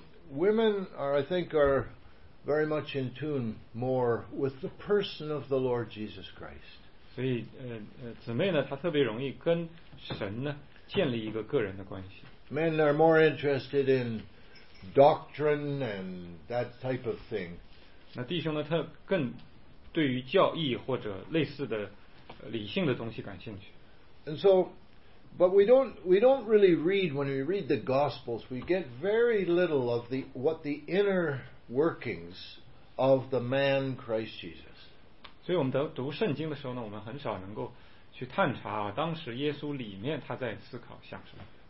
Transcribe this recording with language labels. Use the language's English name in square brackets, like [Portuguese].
[English] Women are, I think, are very much in tune more with the person of the Lord Jesus Christ. [Chinese] 所以，姊妹呢，她特别容易跟神呢建立一个个人的关系。 [English] Men are more interested in doctrine and that type of thing. [Chinese] 那弟兄呢，他更对于教义或者类似的理性的东西感兴趣。 [English] And so, but we don't really read, when we read the Gospels, we get very little of what the inner workings of the man Christ Jesus. [Chinese] 所以我们读圣经的时候呢，我们很少能够去探查啊，当时耶稣里面他在思考想什么。